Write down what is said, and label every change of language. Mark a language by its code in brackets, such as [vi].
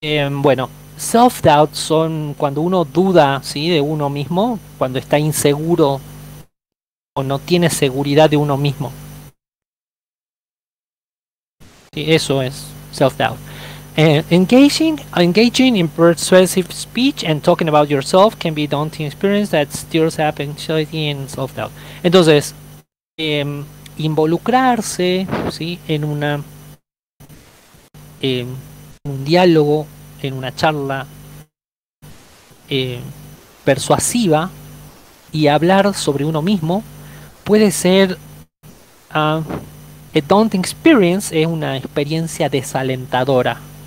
[es] Bueno, self-doubt son cuando uno duda, ¿sí?, de uno mismo, cuando está inseguro o no tiene seguridad de uno mismo. Eso es self-doubt. [en] Engaging in persuasive speech and talking about yourself can be a daunting experience that stirs up anxiety and self-doubt. [es] Entonces, involucrarse, ¿sí?, en una un diálogo, en una charla persuasiva y hablar sobre uno mismo puede ser [en] a daunting experience, [es] es una experiencia desalentadora.